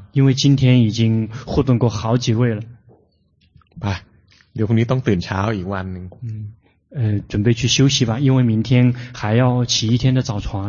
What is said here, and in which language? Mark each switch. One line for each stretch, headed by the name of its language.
Chinese: 因为今天已经互动过好几位了
Thai: ไปเดี๋ยวพรุ่งนี้ต้องตื่นเช้าอีกวันนึง
Chinese: 准备去休息吧因为明天还要起一天的早床